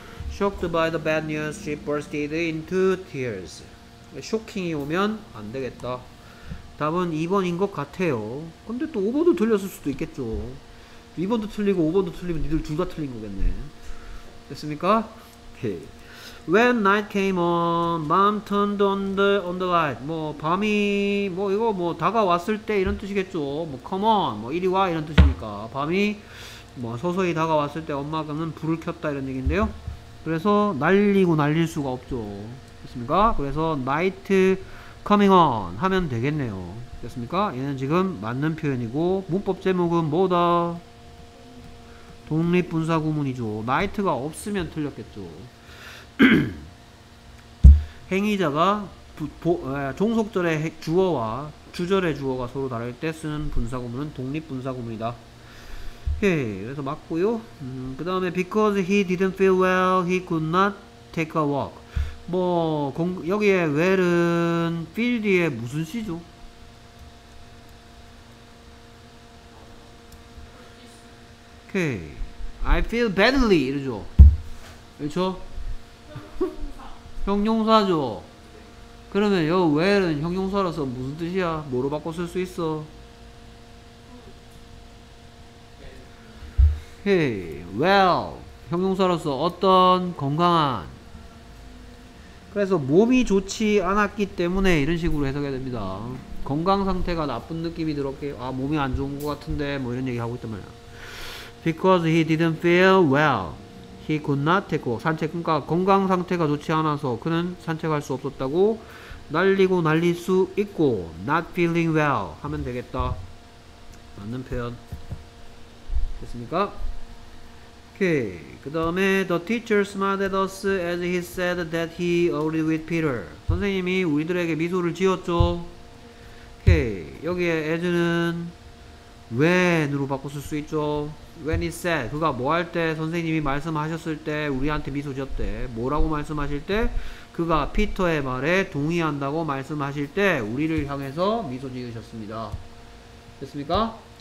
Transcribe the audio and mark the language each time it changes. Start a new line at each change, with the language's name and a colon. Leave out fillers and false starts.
English: shocked by the bad news, she bursted into tears.
Korean: 쇼킹이 오면 안 되겠다. 답은 2번인 것 같아요. 근데 또 5번도 틀렸을 수도 있겠죠. 2번도 틀리고 5번도 틀리면 니들 둘 다 틀린 거겠네. 됐습니까? 오케이.
English: When night came on, 밤 turned on the light.
Korean: 뭐 밤이 뭐 이거 뭐 다가왔을 때 이런 뜻이겠죠. 뭐 come on, 뭐 이리 와 이런 뜻이니까 밤이 뭐 서서히 다가왔을 때 엄마는 불을 켰다 이런 얘기인데요. 그래서 날리고 날릴 수가 없죠. 됐습니까? 그래서 night coming on 하면 되겠네요. 됐습니까? 얘는 지금 맞는 표현이고 문법 제목은 뭐다? 독립분사구문이죠. night가 없으면 틀렸겠죠. 행위자가 종속절의 주어와 주절의 주어가 서로 다를 때 쓰는 분사구문은 독립분사구문이다. 오케이, 그래서 맞고요.
English: 그 다음에 because he didn't feel well, he could not take a walk.
Korean: 뭐 여기에 well은 feel 뒤에 무슨 시죠? 오케이, I feel badly 이러죠. 그렇죠? 형용사죠. 그러면 요 well은 형용사라서 무슨 뜻이야? 뭐로 바꿔 쓸 수 있어? 오케이, well 형용사로서 어떤 건강한. 그래서 몸이 좋지 않았기 때문에 이런 식으로 해석해야 됩니다. 건강 상태가 나쁜 느낌이 들었기, 아 몸이 안 좋은 것 같은데 뭐 이런 얘기 하고 있단 말이야.
English: Because he didn't feel well, he could not take a walk.
Korean: 산책, 그러니까 건강 상태가 좋지 않아서 그는 산책할 수 없었다고. 날리고 날릴 수 있고 not feeling well 하면 되겠다. 맞는 표현 됐습니까?
English: 오케이, 그 다음에 the teacher smiled at us as he said that he agreed with Peter.
Korean: 선생님이 우리들에게 미소를 지었죠. 오케이, 여기에 as는 when으로 바꿔 쓸 수 있죠. When he said, 그가 뭐 할 때 선생님이 말씀하셨을 때 우리한테 미소 지었대. 뭐라고 말씀하실 때? 그가 피터의 말에 동의한다고 말씀하실 때 우리를 향해서 미소 지으셨습니다. 됐습니까?